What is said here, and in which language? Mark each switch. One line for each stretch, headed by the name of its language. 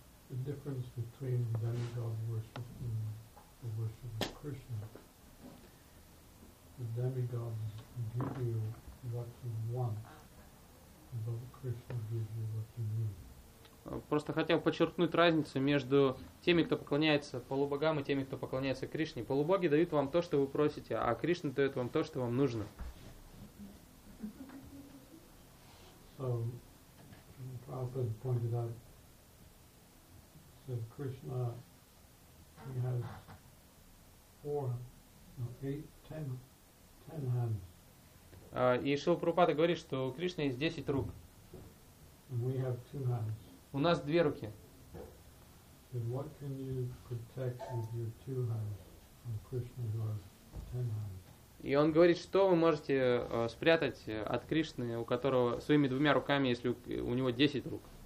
English: The difference between demigod worship and the worship of Krishna. The demigods give you what you want, but Krishna gives you what you need.
Russian: Просто хотел подчеркнуть разницу между теми, кто поклоняется полубогам, и теми, кто поклоняется Кришне. Полубоги дают вам то, что вы просите, а Кришна дает вам то, что вам нужно.
English: So Prabhupada pointed out, said Krishna, he has ten hands.
Russian: И Шрила Прабхупада говорит, что у Кришны есть 10 рук.
English: We have two hands.
Russian: У нас две руки.
English: So what can you protect with your two hands when Krishna has 10 hands?
Russian: И он говорит, что вы можете спрятать от Кришны, у которого своими двумя руками, если у него 10 рук.